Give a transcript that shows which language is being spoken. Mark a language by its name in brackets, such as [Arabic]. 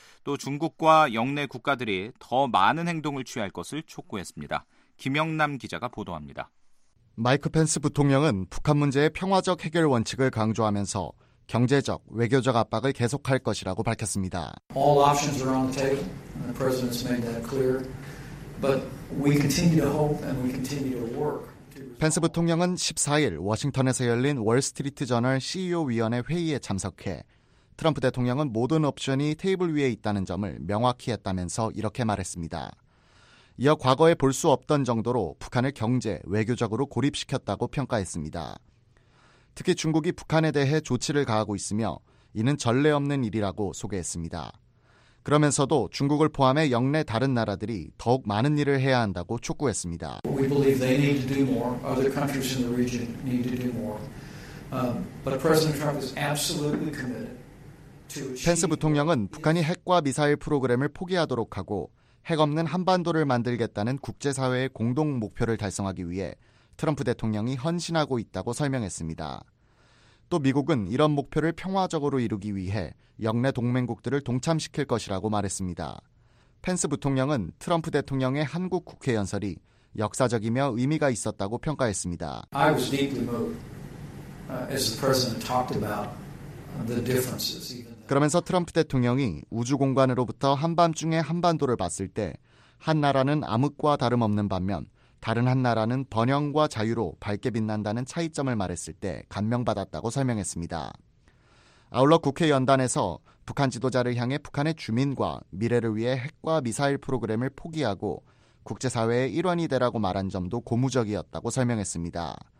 [Korean] 또 중국과 영내 국가들이 더 많은 행동을 취할 것을 촉구했습니다. 김영남 기자가 보도합니다. 마이크 펜스 부통령은 북한 문제의 평화적 해결 원칙을 강조하면서 경제적, 외교적 압박을 계속할 것이라고 밝혔습니다. [English] All options are on the table. The president's made that clear. But we continue to hope and we continue to work. [Korean] 펜스 부통령은 14일 워싱턴에서 열린 월스트리트 저널 CEO 위원회 회의에 참석해 트럼프 대통령은 모든 옵션이 테이블 위에 있다는 점을 명확히 했다면서 이렇게 말했습니다. 이어 과거에 볼 수 없던 정도로 북한을 경제, 외교적으로 고립시켰다고 평가했습니다. 특히 중국이 북한에 대해 조치를 가하고 있으며 이는 전례 없는 일이라고 소개했습니다. 그러면서도 중국을 포함해 영내 다른 나라들이 더욱 많은 일을 해야 한다고 촉구했습니다. [English] We believe they need to do more. Other countries in the region need to do more. But President Trump is absolutely committed to. [Korean] 펜스 부통령은 북한이 핵과 미사일 프로그램을 포기하도록 하고 핵 없는 한반도를 만들겠다는 국제사회의 공동 목표를 달성하기 위해 트럼프 대통령이 헌신하고 있다고 설명했습니다. 또 미국은 이런 목표를 평화적으로 이루기 위해 영내 동맹국들을 동참시킬 것이라고 말했습니다. 펜스 부통령은 트럼프 대통령의 한국 국회 연설이 역사적이며 의미가 있었다고 평가했습니다. [English] I was deeply moved as the president talked about the differences. [Korean] 그러면서 트럼프 대통령이 우주공간으로부터 한밤중에 한반도를 봤을 때 한 나라는 암흑과 다름없는 반면 다른 한 나라는 번영과 자유로 밝게 빛난다는 차이점을 말했을 때 감명받았다고 설명했습니다. 아울러 국회 연단에서 북한 지도자를 향해 북한의 주민과 미래를 위해 핵과 미사일 프로그램을 포기하고 국제사회의 일원이 되라고 말한 점도 고무적이었다고 설명했습니다.